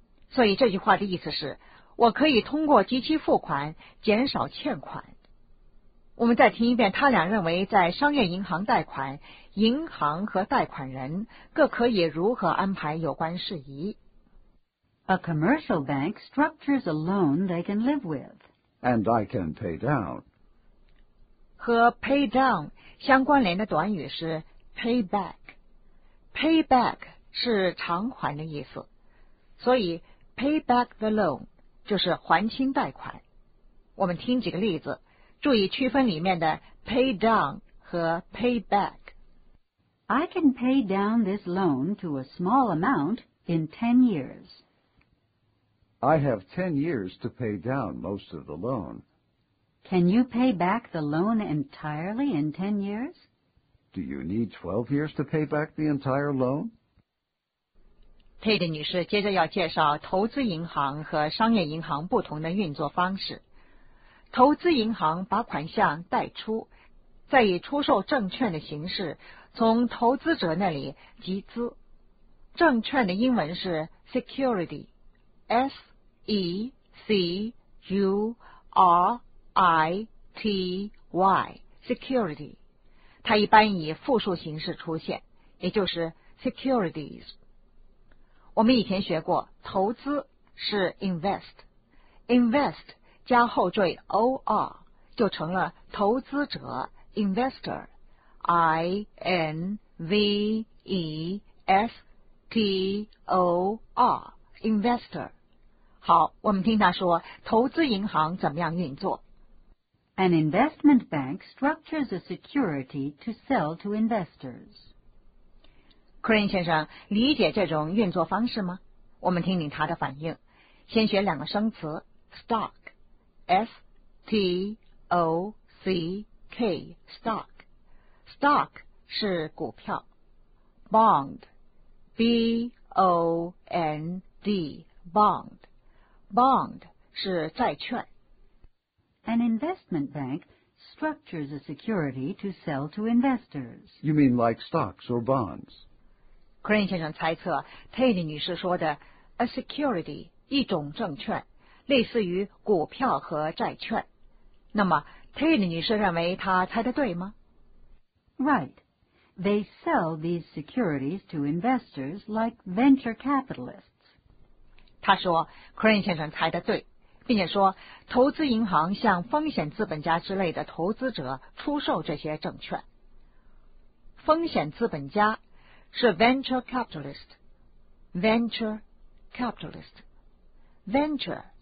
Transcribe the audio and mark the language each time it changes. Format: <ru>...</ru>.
<zh>所以这句话的意思是我可以通过即期付款减少欠款。我们再听一遍，他俩认为在商业银行贷款，银行和贷款人各可以如何安排有关事宜。</zh> <en>A commercial bank structures a loan they can live with. And I can pay down.</en> <zh>和</zh> <en>pay down</en> <zh>相关联的短语是</zh> <en>pay back. Pay back</en> <zh>是偿还的意思，所以</zh> <en>pay back the loan</en> <zh>就是还清贷款。我们听几个例子，注意区分里面的</zh> <en>pay down</en> <zh>和</zh> <en>pay back。 I can pay down this loan to a small amount in 10 years. I have 10 years to pay down most of the loan. Can you pay back the loan entirely in 10 years? Do you need 12 years to pay back the entire loan?</en> <zh>Tate 女士接着要介绍投资银行和商业银行不同的运作方式。投资银行把款项贷出，再以出售证券的形式从投资者那里集资。证券的英文是</zh> <en>security, S-E-C-U-R-I-T-Y, security.</en> <zh>它一般以复数形式出现，也就是</zh> <en>securities.</en> <zh>我们以前学过投资是</zh> <en>invest, invest.</en> <zh>加后缀 OR 就成了投资者</zh> <en>investor, I-N-V-E-S-T-O-R, investor.</en> <zh>好，我们听他说投资银行怎么样运作。</zh> <en>An investment bank structures a security to sell to investors.</en> <zh>Crane 先生理解这种运作方式吗？我们听听他的反应。先学两个生词</zh> <en>stock. S-T-O-C-K, stock. Stock</en> <zh>是股票。</zh> <en>Bond, B-O-N-D, bond.</en> <zh>Bond 是债券。</zh> <en>An investment bank structures a security to sell to investors. You mean like stocks or bonds?</en> <zh>Crane 先生猜测 Tate 女士说的</zh> <en>a security,</en> <zh>一种证券。类似于股票和债券。那么 Tate 女士认为她猜得对吗？</zh> <en>Right. They sell these securities to investors like venture capitalists.</en> <zh>她说 Crane 先生猜得对，并且说投资银行向风险资本家之类的投资者出售这些证券。风险资本家是</zh> <en>venture capitalist. Venture capitalist. Venture.</en>